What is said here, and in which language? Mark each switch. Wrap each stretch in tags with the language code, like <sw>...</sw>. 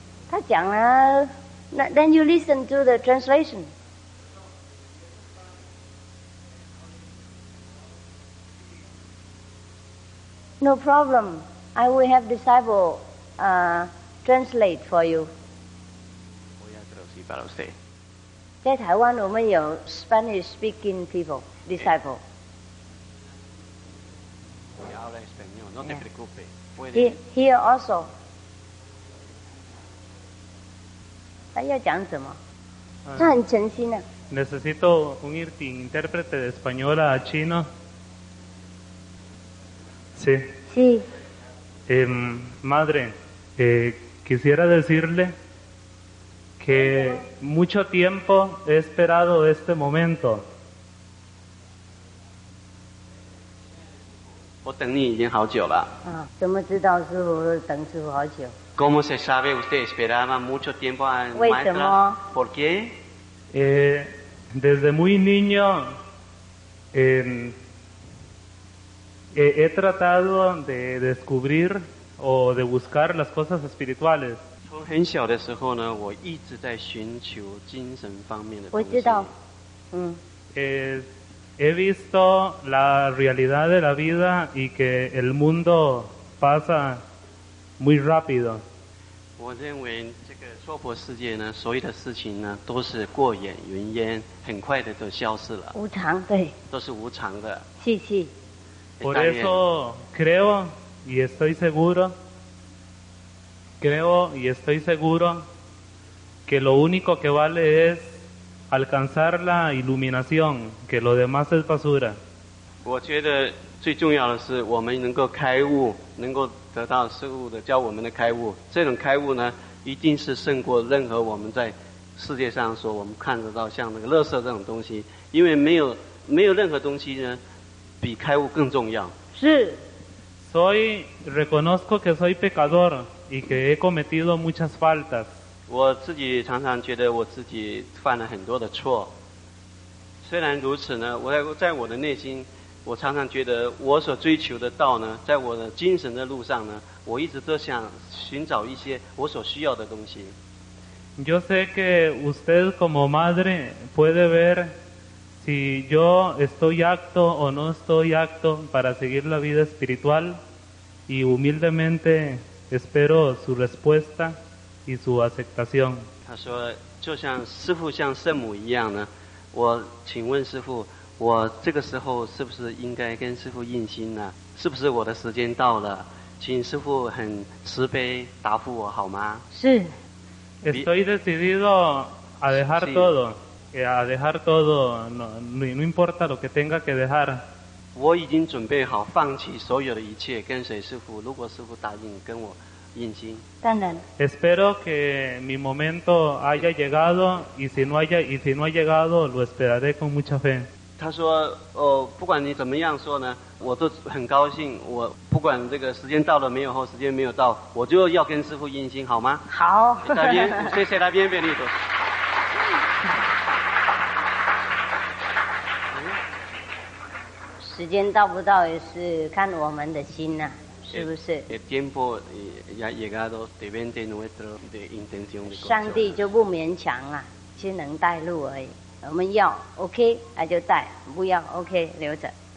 <zh>他讲了那</zh> <en>then you listen to the translation No problem I will have disciple translate for you</en> <zh>我要</zh> <es>traducir para usted</es> <zh>在台湾我们有</zh> <en>Spanish speaking people disciple</en> <zh>我</zh> <es>要 hablar español no te preocupe</es> <en>here also</en> <zh>要讲什么他很诚心啊</zh> <es>necesito un intérprete de español a chino sí sí madre quisiera decirle que mucho tiempo he esperado este momento</es> <zh>我等你已经好久了怎么知道师父等师父好久</zh> <es>¿Cómo se sabe usted esperaba mucho tiempo al maestro? ¿Por qué? Desde muy niño he tratado de descubrir o de buscar las cosas espirituales.</es> <zh>从很小的时候呢，我一直在寻求精神方面的东西。我知道，</zh> <es>He visto la realidad de la vida y que el mundo pasa muy rápido.</es> <zh>我认为这个娑婆世界呢，所有的事情呢，都是过眼云烟，很快的都消失了。无常，对，都是无常的。是是。</zh> <es>Por eso creo y estoy seguro, creo y estoy seguro que lo único que vale es alcanzar la iluminación, que lo demás es basura.</es> <zh>我觉得最重要的是我们能够开悟，能够。得到师父的教我们的开悟，这种开悟呢，一定是胜过任何我们在世界上说我们看得到像那个垃圾这种东西，因为没有任何东西呢比开悟更重要。是。</zh> <es>Soy reconozco que soy pecador y que he cometido muchas faltas。</es> <zh>我自己常常觉得我自己犯了很多的错。虽然如此呢，我在我的内心。我常常觉得我所追求的道呢在我的精神的路上呢我一直都想寻找一些我所需要的东西</zh> <es>Yo sé que usted como madre puede ver si yo estoy apto o no estoy apto para seguir la vida espiritual y humildemente espero su respuesta y su aceptación</es> <zh>他说就像师父像圣母一样呢我请问师父我这个时候是不是应该跟师父印心呢是不是我的时间到了请师父很慈悲答复我好吗是</zh> <es>Estoy decidido a dejar todo a dejar todo no importa lo que tenga que dejar</es> <zh>我已经准备好放弃所有的一切跟随师父如果师父答应跟我印心当然</zh> <es>Espero que mi momento haya llegado y si no ha llegado lo esperaré con mucha fe</es> <zh>他说哦不管你怎么样说呢我都很高兴我不管这个时间到了没有或时间没有到我就要跟师父印心好吗好谢谢他 bienvenido 时间到不到也是看我们的心啊，是不是？</zh> <es>El tiempo ya llegado depende nuestro de intención de corazón.</es> <zh>上帝就不勉强啊，就能带路而已。我们要 OK， 那就带；不要 OK， 留着。</zh>